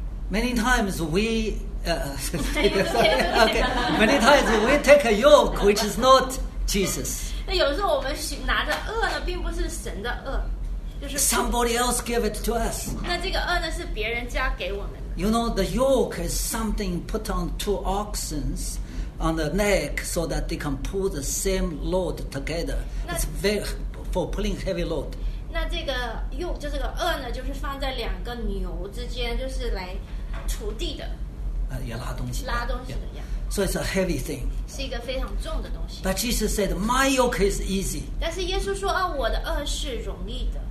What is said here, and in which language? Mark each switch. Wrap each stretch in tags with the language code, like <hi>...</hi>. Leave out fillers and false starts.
<en>Many times we take a yoke which is not Jesus.</en> <zh>那有时候我们拿着轭呢，并不是神的轭，就是</zh> <en>somebody else give it to us.</en> <zh>那这个轭呢，是别人加给我们的。</zh> <en>You know, the yoke is something put on two oxen on the neck so that they can pull the same load together. It's very for pulling heavy load.</en> <zh>那这个又就这个轭呢，就是放在两个牛之间，就是来锄地的。也拉东西。拉东西的呀。</zh> <en>So it's a heavy thing.</en> <zh>是一个非常重的东西。</zh> <en>But Jesus said, "My yoke is easy."</en> <zh>但是耶稣说啊，我的轭是容易的。</zh>